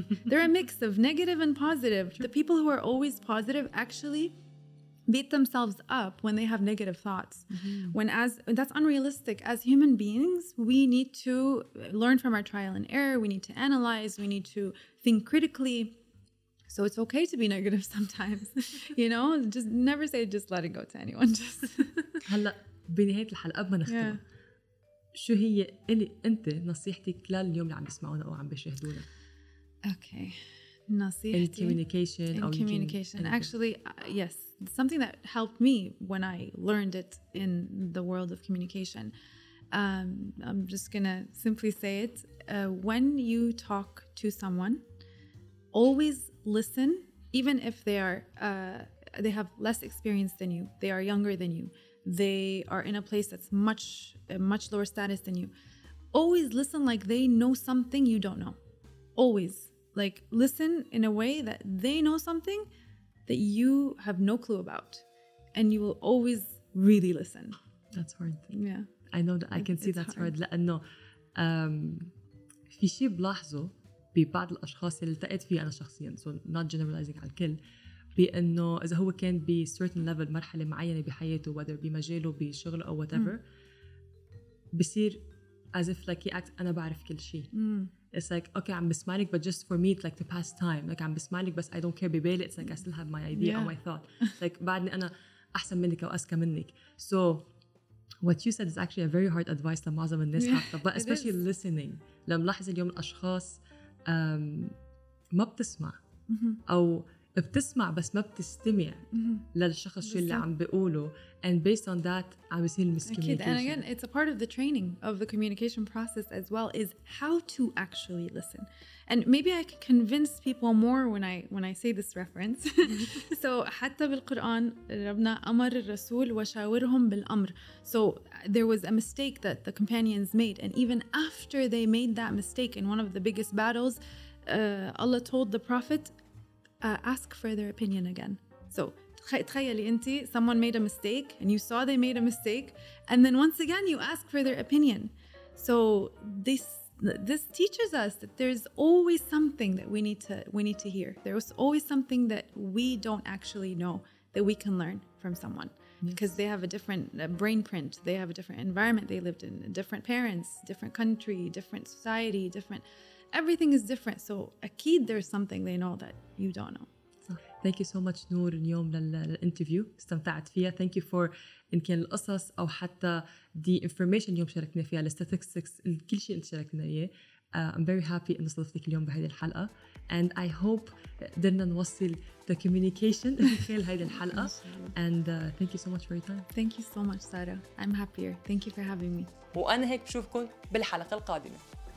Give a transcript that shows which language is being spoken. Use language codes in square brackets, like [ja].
[en] They're a mix of negative and positive. True. The people who are always positive actually beat themselves up when they have negative thoughts. Mm-hmm. That's unrealistic. As human beings, we need to learn from our trial and error. We need to analyze. We need to think critically. So it's okay to be negative sometimes. You know, just never say just let it go to anyone. Just [ar] هلا بنهاية الحلقة ما نختم. شو هي اللي انت نصيحتك لليوم اللي عم يسمعونا او عم بيشاهدونا؟ اوكي نصيحتي [en] communication. Actually, yes, something that helped me when I learned it in the world of communication. I'm just gonna simply say it. When you talk to someone, always listen, even if they are they have less experience than you, they are younger than you, they are in a place that's much lower status than you. Always listen like they know something you don't know. Always. Like, listen in a way that they know something that you have no clue about. And you will always really listen. That's hard. Yeah. I know that. I can see that's hard. [ar] لأنه في شيء بلاحظه ببعض الأشخاص اللي التقيت فيه أنا شخصياً. [en] So not generalizing [ar] على الكل. بأنه إذا هو كان ب [en] certain level [ar] مرحلة معينة بحياته [en] whether [ar] بمجاله بشغله أو [en] whatever [ar] بصير [en] as if like he acts [ar] أنا بعرف كل شيء. [en] It's like, okay, I'm smiling, but just for me, it's like the past time. Like, I'm smiling, but I don't care [ar] ببالي. [en] It's like, I still have my idea or my thought. [ar] Like, بعدني أنا أحسن منك أو أسكى منك. [en] So, what you said is actually a very hard advice [ar] لمعظم الناس حتى. [en] But especially listening. [ar] لما لاحظ اليوم الأشخاص ما بتسمع. أو بتسمع بس ما بتستمع للشخص شو اللي عم بيقوله. [en] And based on that, I was in miscommunication. And again, it's a part of the training of the communication process as well, is how to actually listen. And maybe I can convince people more when I say this reference. [ar] So, حتى بالقرآن ربنا أمر الرسول وشاورهم بالأمر. [en] So, there was a mistake that the companions made. And even after they made that mistake in one of the biggest battles, Allah told the Prophet, ask for their opinion again. So, [ar] تخيلي أنت, [en] someone made a mistake and you saw they made a mistake, and then once again you ask for their opinion. So this teaches us that there's always something that we need to hear. There's always something that we don't actually know that we can learn from someone, because they have a different brain print, they have a different environment, they lived in different parents, different country, different society, different, everything is different. So أكيد there's something they know that you don't know. Thank you so much, نور, [ar] اليوم للانترفيو. استمتعت فيها. [en] Thank you for [ar] إن كان القصص أو حتى [en] the information [ar] اليوم شاركنا فيها, الستاتيكس, كل شيء أنت شاركنا إياه. [en] I'm very happy [ar] إن صدفتك اليوم بهذه الحلقة. [en] And I hope [ar] قدرنا نوصل [en] the communication [ar] خلال هذه الحلقة. [en] And thank you so much for your time. Thank you so much, Sarah. I'm happier. Thank you for having me. [ar] وأنا هيك بشوفكم بالحلقة القادمة.